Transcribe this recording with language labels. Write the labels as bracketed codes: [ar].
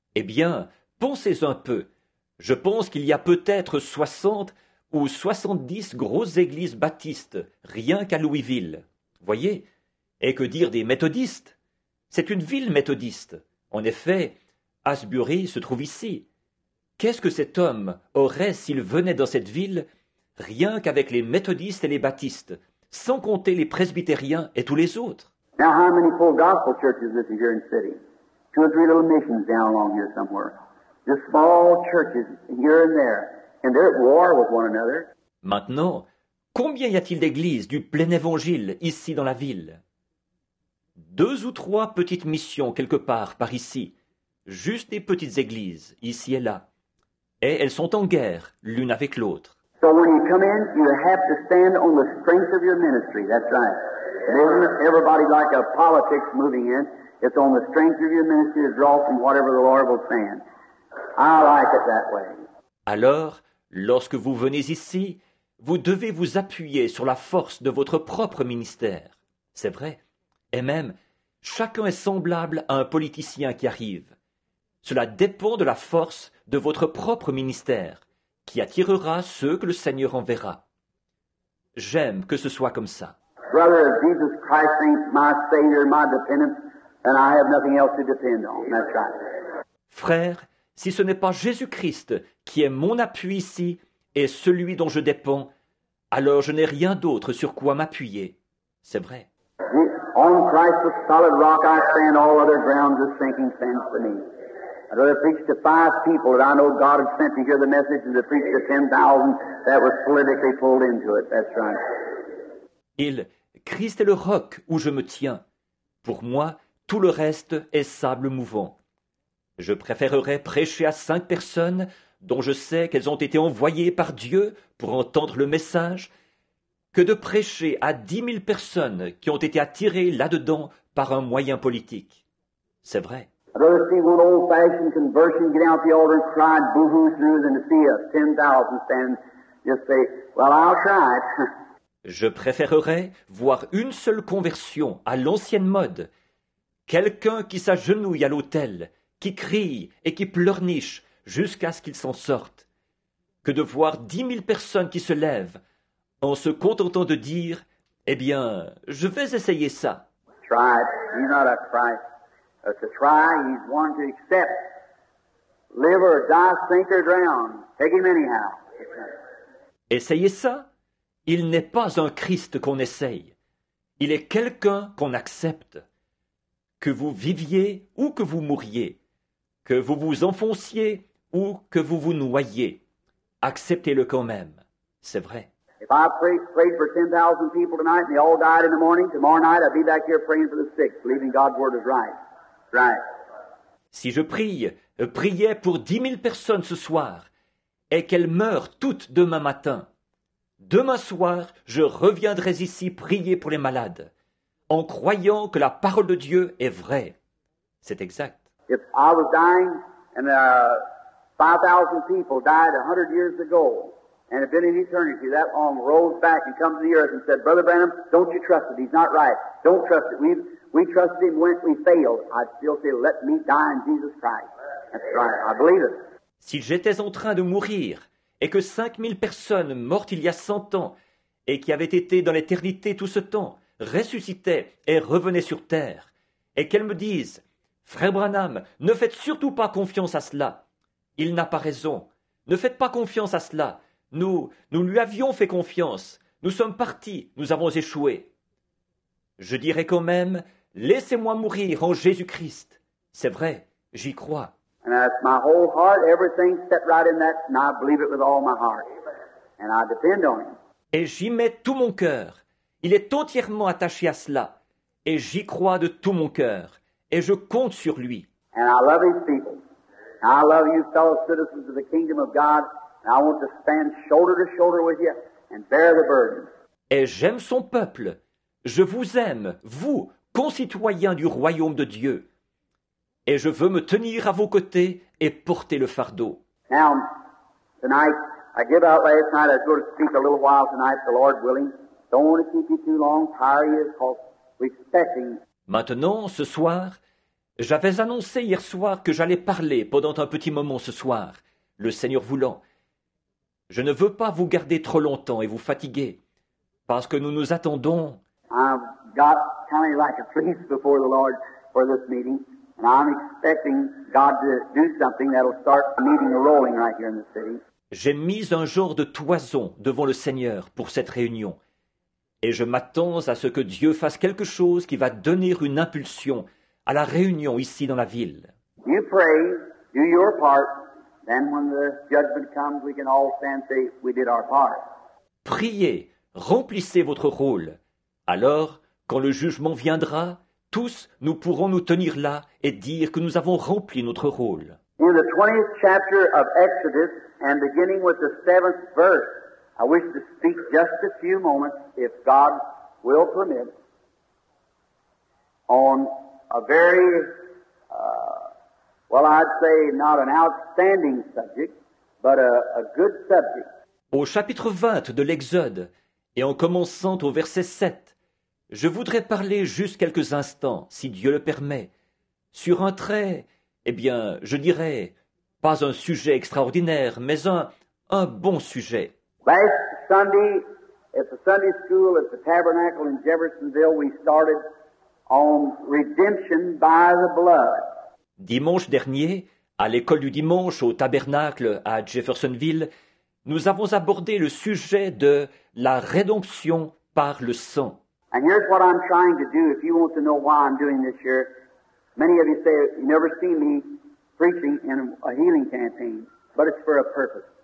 [fr] Eh bien, pensez un peu. Je pense qu'il y a peut-être 60 ou 70 grosses églises baptistes, rien qu'à Louisville. Voyez, et que dire des méthodistes? C'est une ville méthodiste. En effet, Asbury se trouve ici. Qu'est-ce que cet homme aurait s'il venait dans cette ville, rien qu'avec les méthodistes et les baptistes, sans compter les presbytériens et tous les autres? [en] Now how many full gospel churches is here in the city? Two or three little missions down along here somewhere. Just small churches here and there. And they're at war with one another. [fr] Maintenant, combien y a-t-il d'églises du plein évangile ici dans la ville? Deux ou trois petites missions quelque part par ici. Juste des petites églises, ici et là. Et elles sont en guerre l'une avec l'autre. [en] So when you come in, you have to stand on the strength of your ministry. That's right. It isn't everybody like a politics moving in. It's on the strength of your ministry to draw from whatever the Lord will send. I like it that way. [fr] Alors, lorsque vous venez ici, vous devez vous appuyer sur la force de votre propre ministère. C'est vrai. Et même, chacun est semblable à un politicien qui arrive. Cela dépend de la force de votre propre ministère, qui attirera ceux que le Seigneur enverra. J'aime que ce soit comme ça. [en] Brother, if Jesus Christ is my Savior, my dependent, then I have nothing else to depend on. That's right. [fr] Frère, si ce n'est pas Jésus-Christ qui est mon appui ici et celui dont je dépends, alors je n'ai rien d'autre sur quoi m'appuyer. C'est vrai. [en] On Christ, the solid rock, I stand, all other ground is sinking sand beneath. I'd rather preach to five people that I know God has sent to hear the message than to preach to 10,000 that was politically pulled into it. That's right. [fr] Il, Christ est le roc où je me tiens. Pour moi, tout le reste est sable mouvant. Je préférerais prêcher à 5 personnes dont je sais qu'elles ont été envoyées par Dieu pour entendre le message que de prêcher à 10 000 personnes qui ont été attirées là-dedans par un moyen politique. C'est vrai. [en] I'd rather see one old-fashioned conversion get out the altar and cry boo-hoo through than to see a 10,000 stand just say, well, I'll try it. [fr] Je préférerais voir une seule conversion à l'ancienne mode, quelqu'un qui s'agenouille à l'autel, qui crie et qui pleurniche jusqu'à ce qu'ils s'en sortent, que de voir 10 000 personnes qui se lèvent en se contentant de dire, eh bien, je vais essayer ça. [en] Try, he's not a Christ. To try, he's one to accept. Live or die, sink or drown. Take him anyhow. [fr] Essayez ça. Il n'est pas un Christ qu'on essaye. Il est quelqu'un qu'on accepte. Que vous viviez ou que vous mouriez, que vous vous enfonciez ou que vous vous noyiez, acceptez-le quand même. C'est vrai. [en] If I prayed for 10,000 people tonight and they all died in the morning, tomorrow night I'd be back here praying for the sick, believing God's word is right. Right. [fr] Si je priais pour 10,000 personnes ce soir et qu'elles meurent toutes demain matin, demain soir je reviendrai ici prier pour les malades, en croyant que la parole de Dieu est vraie. C'est exact. [en] If I was dying and 5,000 people died 100 years ago and have been in eternity that long, rose back and come to the earth and said, Brother Branham, don't you trust it? He's not right. Don't trust it. We trusted him when we failed. I'd still say, let me die in Jesus Christ. That's right. I believe it. [fr] Si j'étais en train de mourir et que 5,000 personnes mortes il y a 100 ans et qui avaient été dans l'éternité tout ce temps ressuscitaient et revenaient sur terre et qu'elles me disent, Frère Branham, ne faites surtout pas confiance à cela. Il n'a pas raison. Ne faites pas confiance à cela. Nous lui avions fait confiance. Nous sommes partis. Nous avons échoué. Je dirais quand même, laissez-moi mourir en Jésus-Christ. C'est vrai, j'y crois. [en] And that's my whole heart, everything set right in that, and I believe it with all my heart. And I depend on him. [fr] Et j'y mets tout mon cœur. Il est entièrement attaché à cela. Et j'y crois de tout mon cœur. Et je compte sur lui. [en] And I love his people. I love you fellow citizens of the kingdom of God. And I want to stand shoulder to shoulder with you and bear the burden. [fr] Et j'aime son peuple. Je vous aime, vous, concitoyens du royaume de Dieu. Et je veux me tenir à vos côtés et porter le fardeau. [en] Now, tonight, I give out last night, I go to speak a little while tonight, the Lord willing. Don't want to keep you too long, tire you, because we're expecting. [fr] Maintenant, ce soir, j'avais annoncé hier soir que j'allais parler pendant un petit moment ce soir, le Seigneur voulant. Je ne veux pas vous garder trop longtemps et vous fatiguer, parce que nous attendons. [en] I've got kind of like a priest before the Lord for this meeting, and I'm expecting God to do something that'll start a meeting rolling right here in the city. [fr] J'ai mis un genre de toison devant le Seigneur pour cette réunion, et je m'attends à ce que Dieu fasse quelque chose qui va donner une impulsion à la réunion ici dans la ville. [en] You pray, do your part, then when the judgment comes, we can all stand and say we did our part. [fr] Priez, remplissez votre rôle. Alors, quand le jugement viendra, tous nous pourrons nous tenir là et dire que nous avons rempli notre rôle. [en] In the 20th chapter of Exodus, and beginning with the 7th verse, I wish to speak just a few moments, if God will permit, on a very, well, I'd say not an outstanding subject, but a good subject. [fr] Au chapitre 20 de l'Exode, et en commençant au verset 7, je voudrais parler juste quelques instants, si Dieu le permet, sur un très, eh bien, je dirais, pas un sujet extraordinaire, mais un bon sujet. [en] Last Sunday, at the Sunday school at the Tabernacle in Jeffersonville, we started on redemption by the blood. [fr] Dimanche dernier, à l'école du dimanche au Tabernacle à Jeffersonville, nous avons abordé le sujet de la rédemption par le sang. [en] And here's what I'm trying to do, if you want to know why I'm doing this here. Many of you say, you've never seen me preaching in a healing campaign, but it's for a purpose.